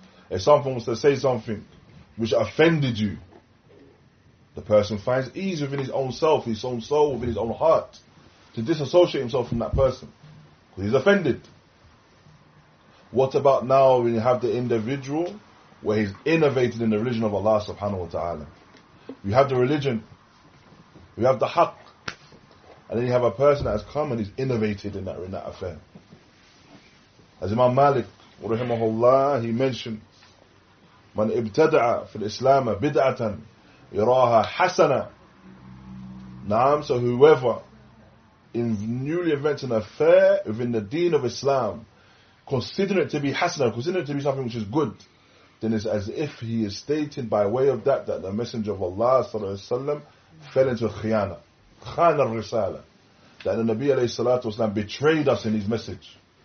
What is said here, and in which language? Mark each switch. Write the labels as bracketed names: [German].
[English] If someone wants to say something which offended you, the person finds ease within his own self, his own soul, within his own heart, to disassociate himself from that person, because he's offended. What about now when you have the individual where he's innovated in the religion of Allah subhanahu wa ta'ala? You have the religion, you have the haqq, and then you have a person that has come and he's innovated in that affair. As Imam Malik, rahimahullah, he mentioned, [Arabic] من ابتدع في الإسلام بدعة يراها حسنة. [English] نعم, so whoever in newly invented an affair within the deen of Islam, consider it to be hasanah, consider it to be something which is good, then it's as if he is stating by way of that the Messenger of Allah Sallallahu Alaihi Wasallam fell into khiyana, khana al-risala, that the Nabi Alayhi Salatu Wasallam betrayed us in his message.